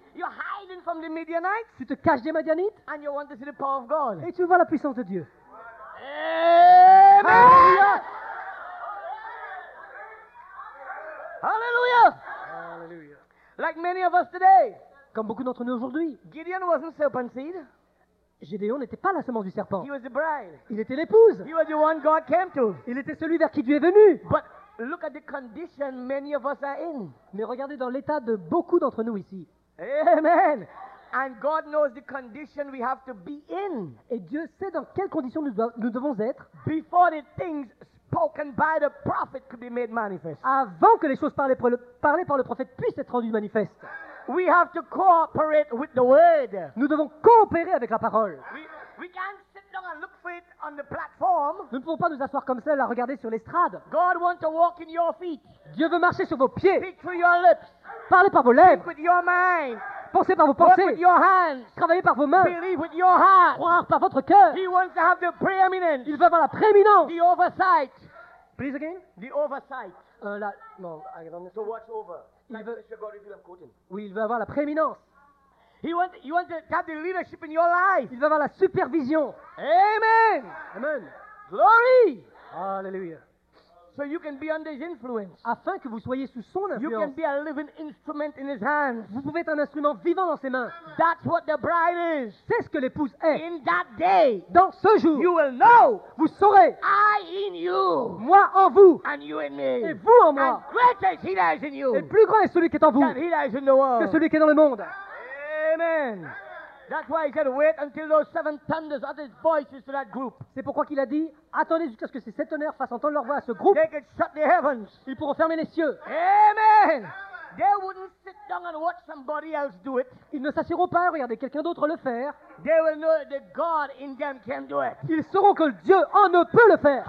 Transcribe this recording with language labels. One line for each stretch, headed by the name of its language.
English: You're hiding from the Midianites.
French: Tu te caches des Midianites.
English: And you want to see the power of God.
French: Et tu vois la puissance de Dieu.
English: Amen. Hallelujah. Hallelujah. Like many of us today.
French: Comme beaucoup d'entre nous aujourd'hui.
English: Gideon wasn't serpent seed.
French: Gédéon n'était pas la semence du serpent.
English: He was the bride.
French: Il était l'épouse.
English: He was the one God came to.
French: Il était celui vers qui Dieu est venu.
English: But look at the condition many of us are in.
French: Mais regardez dans l'état de beaucoup d'entre nous ici.
English: Amen. And God knows the condition we have to be in.
French: Et Dieu sait dans quelles conditions nous devons être.
English: Before the things spoken by the prophet could be made manifest.
French: Avant que les choses parlées par le prophète puissent être rendues manifestes.
English: We have to cooperate with the word.
French: Nous devons coopérer avec la parole.
English: We can't sit down and look for it on the platform.
French: Nous ne pouvons pas nous asseoir comme ça et la regarder sur l'estrade.
English: God wants to walk in your feet.
French: Dieu veut marcher sur vos pieds.
English: Speak through your lips.
French: Parlez par vos lèvres.
English: Speak with your mind.
French: Pensez par vos pensées.
English: Work with your hands.
French: Travaillez par vos mains.
English: Believe with your heart.
French: Croire par votre cœur.
English: He wants to have the preeminence.
French: Il veut avoir la prééminence.
English: The oversight. Please again. The oversight. So watch over.
French: Il veut avoir la prééminence.
English: He wants to have the leadership in your life.
French: Il veut avoir la supervision.
English: Amen. Amen. Glory. Hallelujah. So you can be under his influence.
French: Afin que vous soyez sous son influence.
English: You can be a living instrument in his hands.
French: Vous pouvez être un instrument vivant dans ses mains.
English: That's what the bride is.
French: C'est ce que l'épouse est.
English: In that day.
French: Dans ce jour.
English: You will know.
French: Vous saurez.
English: I in you.
French: Moi en vous.
English: And you in me.
French: Et vous en moi.
English: And greater is he that is in you.
French: Et plus grand est celui qui est en vous.
English: Than he that is in the world.
French: Que celui qui est dans le monde.
English: Amen. That's why he said, wait until those seven thunders utter his voices to that group.
French: C'est pourquoi qu'il a dit, attendez jusqu'à ce que ces sept tonnerres fassent entendre leur voix à ce groupe.
English: They could shut the heavens.
French: Ils pourront fermer les cieux.
English: Amen. They wouldn't sit down and watch somebody else do it.
French: Ils ne s'assieront pas à regarder quelqu'un d'autre le faire.
English: They will know that God in them can do it.
French: Ils sauront que Dieu en ne peut le faire.